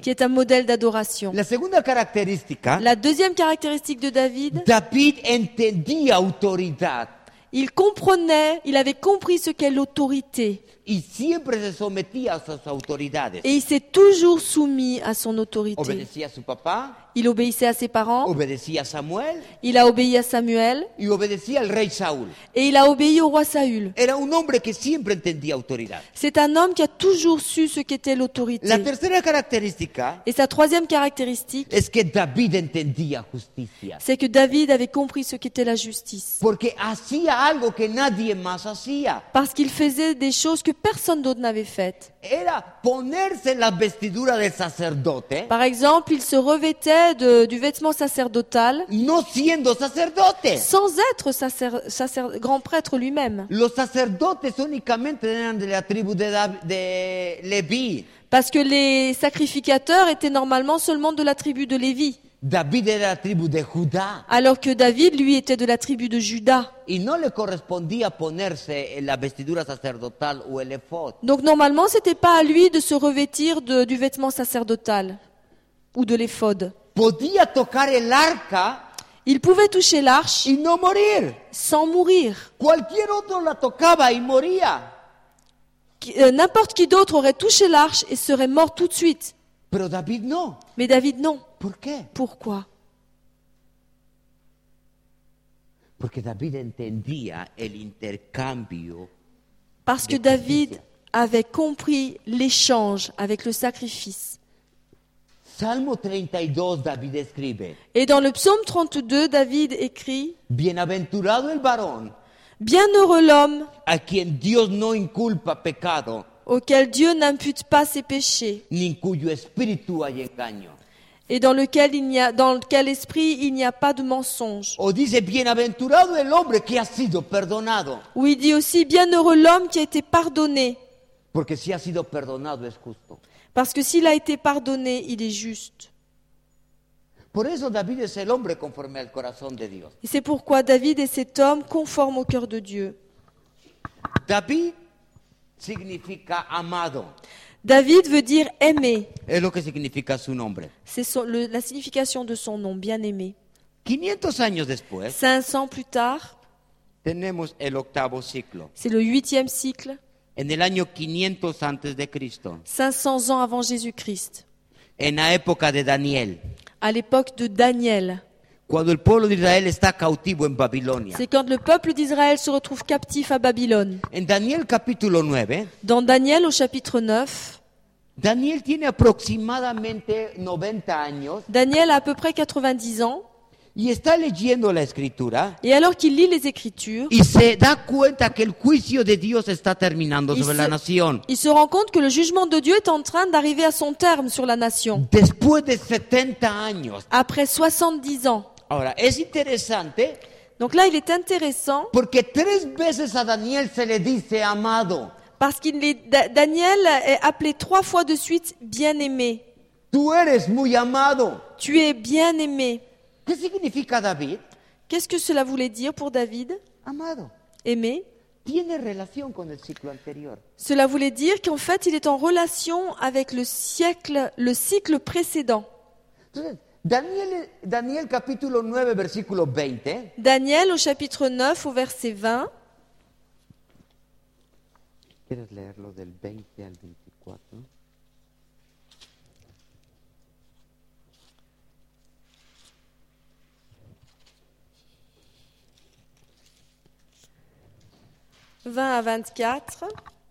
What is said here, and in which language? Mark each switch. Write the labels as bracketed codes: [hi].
[fr] Qui est un modèle d'adoration. [es] La segunda característica. [fr] La deuxième caractéristique de David. [es] David entendía autoridad. [fr] Il comprenait, il avait compris ce qu'est l'autorité. [es] Y siempre se sometía a sus autoridades. [fr] Et il s'est toujours soumis à son autorité. [es] Obedecía a su papá. [fr] Il obéissait à ses parents. [es] Obedecía a Samuel. [fr] Il a obéi à Samuel. [es] Y obedecía al rey Saúl. [fr] Et il a obéi au roi Saül. [es] Era un hombre que siempre entendía autoridad. [fr] C'est un homme qui a toujours su ce qu'était l'autorité. [es] La tercera característica. [fr] Et sa troisième caractéristique. [es] Es que David entendía justicia. [fr] C'est que David avait compris ce qu'était la justice. [es] Porque hacía algo que nadie más hacía. [fr] Parce qu'il faisait des choses que personne d'autre n'avait fait. [es] Era ponerse la vestidura del sacerdote. [fr] Par exemple, il se revêtait du vêtement sacerdotal. [es] No siendo sacerdote. [fr] Sans être grand prêtre lui-même. [es] Los sacerdotes únicamente eran de la tribu de Lévi. [fr] Parce que les sacrificateurs étaient normalement seulement de la tribu de Lévi. [es] David era la tribu de Judá. [fr] Alors que David, lui, était de la tribu de Judas. [es] Y no le correspondía ponerse la vestidura sacerdotal o el efod. [fr] Donc normalement, c'était pas à lui de se revêtir du vêtement sacerdotal ou de l'éphod. [es] Podía tocar el arca. [fr] Il pouvait toucher l'arche. [es] Y no morir. [fr] Sans mourir. [es] Cualquier otro la tocaba y moría. [fr] N'importe qui d'autre aurait touché l'arche et serait mort tout de suite. [es] Pero David no. [fr] Mais David non. [es] ¿Por qué? [fr] Pourquoi? [es] Porque David entendía el intercambio. [fr] Parce que David avait compris l'échange avec le sacrifice. [es] Salmo 32 David escribe. [fr] Et dans le psaume 32 David écrit. [es] Bienaventurado el varón. [fr] Bienheureux l'homme. [es] A quien Dios no inculpa pecado. [fr] Auquel Dieu n'impute pas ses péchés. [es] Ni cuyo espíritu hay engaño. [fr] Et dans lequel esprit il n'y a pas de mensonge. [es] O dice bienaventurado el hombre que ha sido perdonado. [fr] Ou il dit aussi bienheureux l'homme qui a été pardonné. [es] Porque si ha sido perdonado es justo. [fr] Parce que s'il a été pardonné, il est juste. [es] Por eso David es el hombre conforme al corazón de Dios. [fr] Et c'est pourquoi David est cet homme conforme au cœur de Dieu. [es] David significa amado. [fr] David veut dire aimé. [es] Es lo que significa su nombre. [fr] C'est la signification de son nom, bien-aimé. [es] 500 años después. [fr] 500 plus tard. [es] Tenemos el octavo ciclo. [fr] C'est le huitième cycle. [es] En el año 500 antes de Cristo. [fr] 500 ans avant Jésus-Christ. [es] En la época de Daniel. [fr] À l'époque de Daniel. [es] Cuando el pueblo de Israel está cautivo en Babilonia. [fr] C'est quand le peuple d'Israël se retrouve captif à Babylone. [es] En Daniel capítulo 9. [fr] Dans Daniel au chapitre 9. [es] Daniel tiene aproximadamente 90 años. [fr] Daniel a à peu près 90 ans. [es] Y está leyendo la escritura. [fr] Et alors qu'il lit les écritures. [es] Y se da cuenta que el juicio de Dios está terminando sobre la nación. [fr] Il se rend compte que le jugement de Dieu est en train d'arriver à son terme sur la nation. [es] Después de 70 años. [fr] Après 70 ans. [es] Ahora, es interesante. [fr] Donc là, il est intéressant. [es] Porque tres veces a Daniel se le dice amado. [fr] Parce que Daniel est appelé trois fois de suite bien-aimé. [es] Tú eres muy amado. [fr] Tu es bien-aimé. [es] ¿Qué significa David? [fr] Qu'est-ce que cela voulait dire pour David? [es] Amado. [fr] Aimé. [es] Tiene relación con el ciclo anterior. [fr] Cela voulait dire qu'en fait, il est en relation avec le cycle précédent. [es] Entonces, Daniel capítulo 9 versículo 20. [fr] Daniel au chapitre 9 au verset 20. [es] ¿Quieres leerlo del 20 al 24?